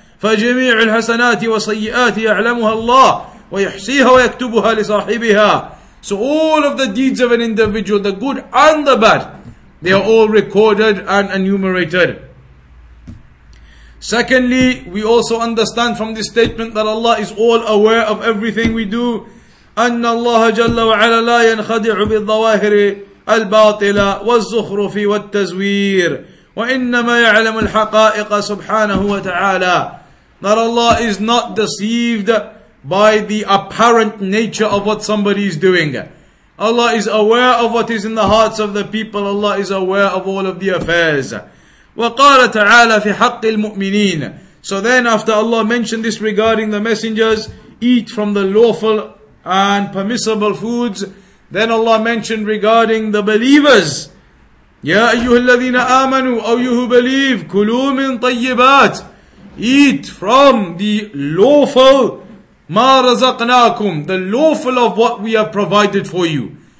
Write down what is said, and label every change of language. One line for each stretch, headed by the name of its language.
Arabic: فَجَمِيعُ الْحَسَنَاتِ وَصَيِّئَاتِ يَعْلَمُهَا اللَّهُ وَيُحْصِيهَا وَيَكْتُبُهَا لِصَاحِبِهَا.
English: So all of the deeds of an individual, the good and the bad, they are all recorded and enumerated. Secondly, we also understand from this statement that Allah is all aware of everything we do.
Arabic: أن الله جل وعلا لا ينخدع بالظواهر الباطلة والزخرف والتزوير وإنما يعلم الحقائق سبحانه وتعالى.
English: That Allah is not deceived by the apparent nature of what somebody is doing. Allah is aware of what is in the hearts of the people. Allah is aware of all of the affairs.
Arabic: وَقَالَ تَعَالَى فِي حَقِّ الْمُؤْمِنِينَ
English: So then after Allah mentioned this regarding the messengers, eat from the lawful and permissible foods, then Allah mentioned regarding the believers,
Arabic: يَا أَيُّهَا الَّذِينَ آمَنُوا
English: أَوْ يُهُ بَلِيفْ
Arabic: كُلُوا مِنْ طَيِّبَاتِ
English: Eat from the lawful
Arabic: مَا رَزَقْنَاكُمْ
English: The lawful of what we have provided for you.